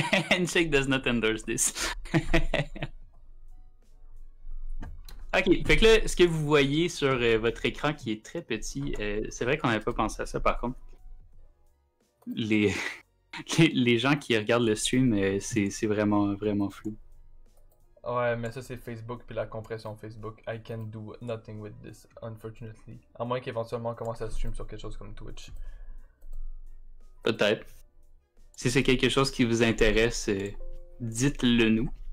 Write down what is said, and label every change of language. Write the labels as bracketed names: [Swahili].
[English] Handshake does not endorse this. [French] Ok, fait que là, ce que vous voyez sur votre écran qui est très petit, c'est vrai qu'on n'avait pas pensé à ça par contre. Les gens qui regardent le stream, c'est vraiment, vraiment flou. Ouais, mais ça c'est Facebook puis la compression Facebook. [English] I can do nothing with this, unfortunately. [French] À moins qu'éventuellement on commence à stream sur quelque chose comme Twitch. Peut-être. Si c'est quelque chose qui vous intéresse, dites-le nous.